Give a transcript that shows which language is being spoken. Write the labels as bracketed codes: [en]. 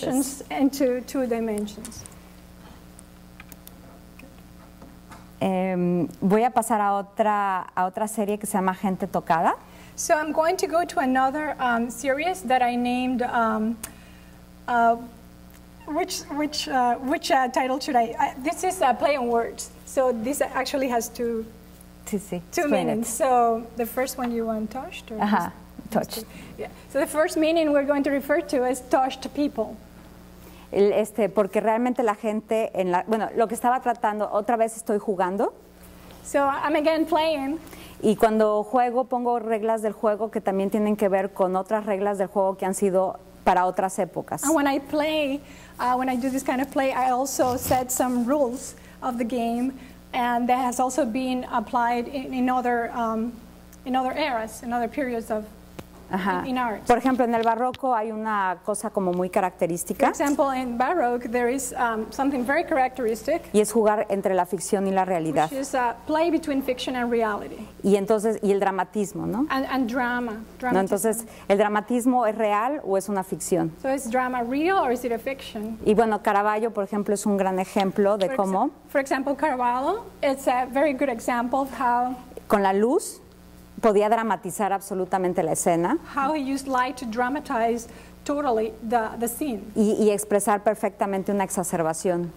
[en] Dimensions into two dimensions. [es] Voy a pasar a otra serie que se llama Gente Tocada. [en] So I'm going to go to another series that I named which title should I? This is a play on words. So this actually has two meanings. It. So the first one you want touched? Or touched. Yeah. So the first meaning we're going to refer to is touched people. [es] Porque realmente la gente en la, bueno, lo que estaba tratando, otra vez estoy jugando. [en] So I'm again playing. [es] Y cuando juego, pongo reglas del juego que también tienen que ver con otras reglas del juego que han sido para otras épocas. [en] And when I play, when I do this kind of play, I also set some rules of the game And that has also been applied in other eras, in other periods of in art. [es] Por ejemplo, en el barroco hay una cosa como muy característica. [en] For example, in Baroque, there is something very characteristic. [es] Y es jugar entre la ficción y la realidad. [en] Which is a play between fiction and reality. [es] Y entonces, y el dramatismo, ¿no? [en] And drama. [es] No, entonces, ¿el dramatismo es real o es una ficción? [en] So is drama real or is it a fiction? [es] Y bueno, Caravaggio, por ejemplo, es un gran ejemplo de cómo. [en] For example, Caravaggio, it's a very good example of how. [es] Con la luz. Podía dramatizar absolutamente la escena. [en] How he used light to dramatize totally the scene. [es] Y expresar perfectamente una exacerbación.